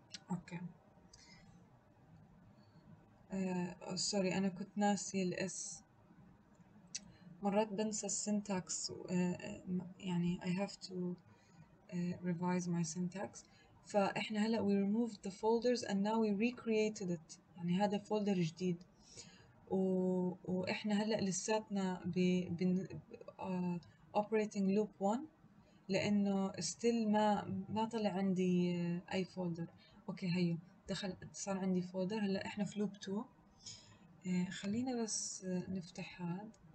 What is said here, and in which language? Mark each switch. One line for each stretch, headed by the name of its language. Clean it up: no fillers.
Arabic: اوكي سوري انا كنت ناسي الاس، مرات بنسى syntax.
English: يعني I have to revise my syntax. فإحنا هلأ we removed the folders and now we recreated it.
Arabic: يعني هذا فولدر جديد وإحنا هلأ لساتنا ب operating loop 1 لأنه ستيل ما طلع عندي أي فولدر. أوكي هيو دخل، صار عندي فولدر. هلا إحنا في لوب 2، خلينا بس نفتح هاد.